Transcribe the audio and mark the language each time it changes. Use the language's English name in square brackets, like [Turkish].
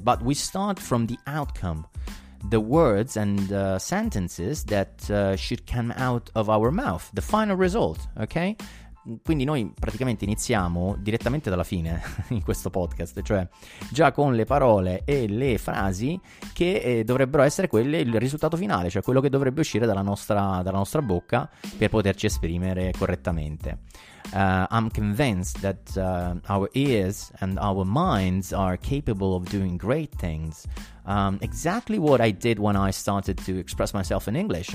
[English] But we start from the outcome, the words and sentences that should come out of our mouth, the final result, okay? [Italian] Quindi noi praticamente iniziamo direttamente dalla fine in questo podcast, cioè già con le parole e le frasi che dovrebbero essere quelle il risultato finale, cioè quello che dovrebbe uscire dalla nostra bocca per poterci esprimere correttamente. [English] I'm convinced that our ears and our minds are capable of doing great things. Exactly what I did when I started to express myself in English.